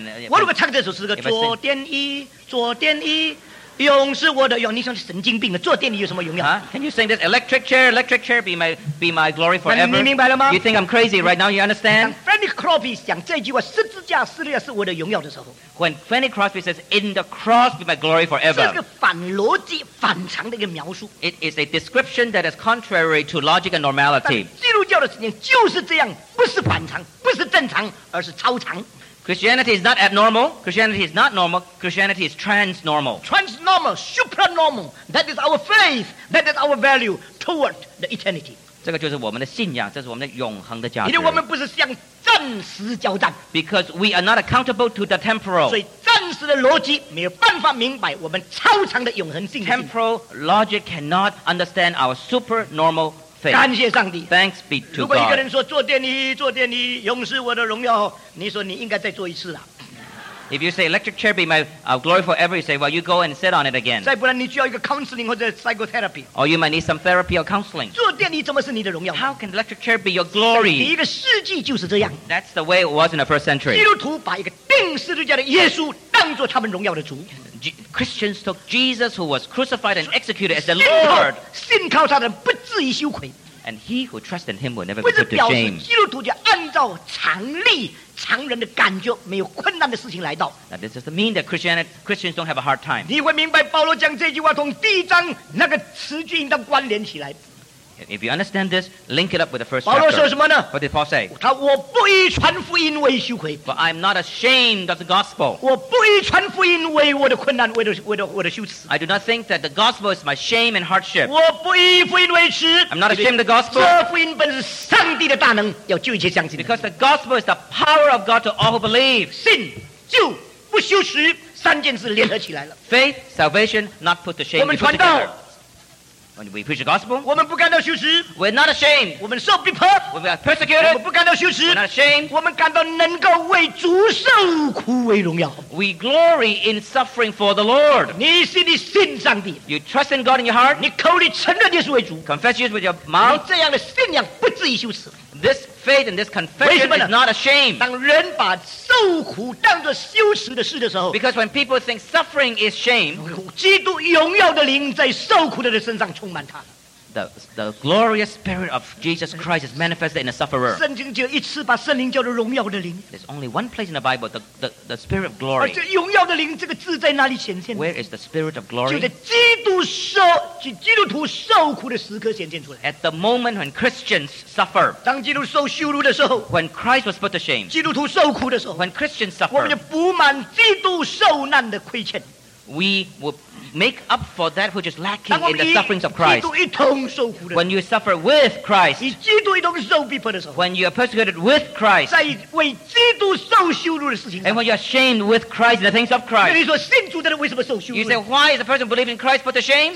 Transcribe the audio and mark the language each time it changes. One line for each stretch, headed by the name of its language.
Chinese: 我如果唱这首诗歌，坐电椅，坐电椅，用是我的用，你像神经病了。坐电椅有什么用呀？
English: Can you sing this electric chair, be my glory forever?
Chinese: 你明白了吗？
English: You think I'm crazy right now? You understand?
Chinese: Fanny Crosby 讲这句话，十字架撕裂是我的荣耀的时候。
English: When Fanny Crosby says, "In the cross be my glory forever."
Chinese: 这是个反逻辑、反常的一个描述。
English: It is a description that is contrary to logic and normality.
Chinese: 基督教的信仰就是这样，不是反常，不是正常，而是超常。
English: Christianity is not abnormal. Christianity is not normal. Christianity is transnormal. Transnormal, supernormal. That is our faith. That is our value toward the eternity.
Chinese: 这个就是我们的信仰，这是我们的永恒的价值。因为我们不是向暂时交战。
English: Because we are not accountable to the temporal.
Chinese: 所以暂时的逻辑没有办法明白我们超常的永恒信仰。
English: Temporal logic cannot understand our supernormal faith.
Chinese: 感谢上帝。
English: Thanks be to God.
Chinese: 如果一个人说坐电椅，坐电椅，永是我的荣耀，你说你应该再坐一次了。
English: If you say electric chair be my glory forever, you say, well, you go and sit on it again.
Chinese: 再不然你需要一个 counseling 或者 psychotherapy.
English: Or you might need some therapy or counseling.
Chinese: 坐电椅怎么是你的荣耀？
English: How can electric chair be your glory?
Chinese: 第一个世纪就是这样。
English: That's the way it was in the first century.
Chinese: 基督徒把一个钉十字架的耶稣当作他们荣耀的主。
English: Christians took Jesus who was crucified and executed as the Lord.
Chinese: 信靠他的不至于羞愧。
English: And he who trusts in him will never be put to shame.
Chinese: 基督徒就按照常理常人的感觉没有困难的事情来到。
English: Now, this doesn't mean that Christians don't have a hard time.
Chinese: 你会明白保罗讲这句话从第一章那个词句应当关联起来。
English: If you understand this, link it up with the first chapter.
Chinese: 保罗说什么呢？
English: What did Paul say?
Chinese: 他我不以传福音为羞愧。
English: But I'm not ashamed of the gospel.
Chinese: 我不以传福音为我的困难，为我的羞耻。
English: I do not think that the gospel is my shame and hardship.
Chinese: 我不以福音为耻。
English: I'm not ashamed of the gospel.
Chinese: 这福音本是上帝的大能，要救一切相信。
English: Because the gospel is the power of God to all who believe.
Chinese: 信就不羞耻，三件事联合起来了。
English: Faith, salvation, not put to shame.
Chinese: 我们传道。
English: When we preach the gospel,
Chinese: 我们不感到羞耻。
English: We're not ashamed.
Chinese: 我们受逼迫。
English: We are persecuted.
Chinese: 我们不感到羞耻。
English: We're not ashamed.
Chinese: 我们感到能够为主受苦为荣耀。
English: We glory in suffering for the Lord.
Chinese: 你心里信上帝。
English: You trust in God in your heart.
Chinese: 你口里承认耶稣为主。
English: Confess Jesus with your mouth.
Chinese: 你这样的信仰不至于羞耻。
English: This faith and this confession is not a shame.
Chinese: 当人把受苦当作羞耻的事的时候，
English: because when people think suffering is shame,
Chinese: 基督荣耀的灵在受苦的人身上充满他。
English: The glorious spirit of Jesus Christ is manifested in a sufferer.
Chinese: 圣经就一次把圣灵叫做荣耀的灵。
English: There's only one place in the Bible the spirit of glory.
Chinese: 而这荣耀的灵这个字在哪里显现？
English: Where is the spirit of glory?
Chinese: 就在基督徒受苦的时刻显现出来。
English: At the moment when Christians suffer,
Chinese: 当基督受羞辱的时候，
English: when Christ was put to shame,
Chinese: 基督徒受苦的时候，
English: when Christians suffer,
Chinese: 我们就补满基督受难的亏欠。
English: We will make up for that which is lacking in the sufferings of Christ. When you suffer with Christ, when you are persecuted with Christ, and when you are ashamed with Christ in the things of Christ, you say, why is the person believing in Christ put to shame?